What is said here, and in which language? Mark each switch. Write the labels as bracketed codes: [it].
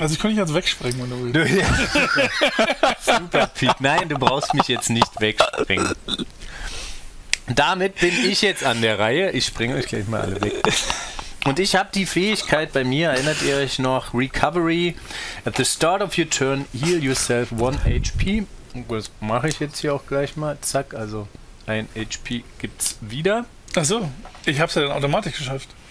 [de] Also ich kann nicht jetzt wegspringen, wenn du willst. Super, Piet. Nein, du brauchst mich jetzt nicht wegspringen. damit bin ich jetzt an der Reihe. Ich springe euch gleich mal alle weg. Und ich habe die Fähigkeit bei mir, erinnert ihr euch noch, Recovery. [en] At the start of your turn, heal yourself 1 HP. [de] Das mache ich jetzt hier auch gleich mal. Zack, also ein HP gibt's wieder. Ach so, ich habe es ja dann automatisch geschafft.